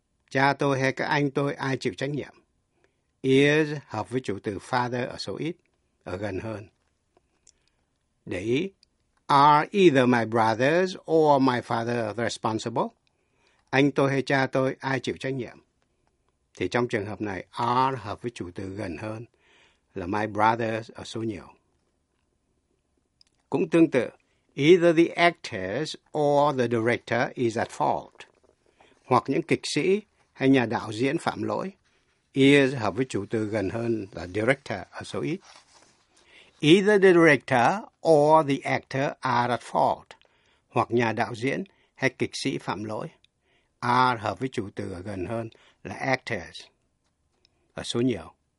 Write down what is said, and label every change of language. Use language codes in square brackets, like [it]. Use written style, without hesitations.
[vi] Cha tôi hay các anh tôi ai chịu trách nhiệm? Is hợp với chủ từ father ở số ít, ở gần hơn. Để ý, [en] Are either my brothers or my father responsible? [vi] Anh tôi hay cha tôi, ai chịu trách nhiệm? Thì trong trường hợp này, are hợp với chủ từ gần hơn là my brothers ở số nhiều. Cũng tương tự, [en] either the actors or the director is at fault. [vi] Hoặc những kịch sĩ hay nhà đạo diễn phạm lỗi. Is hợp với chủ từ gần hơn là director ở số ít. [en] Either the director or the actor are at fault. [vi] Hoặc nhà đạo diễn hay kịch sĩ phạm lỗi. Are hợp với chủ từ gần hơn là actors ở số nhiều.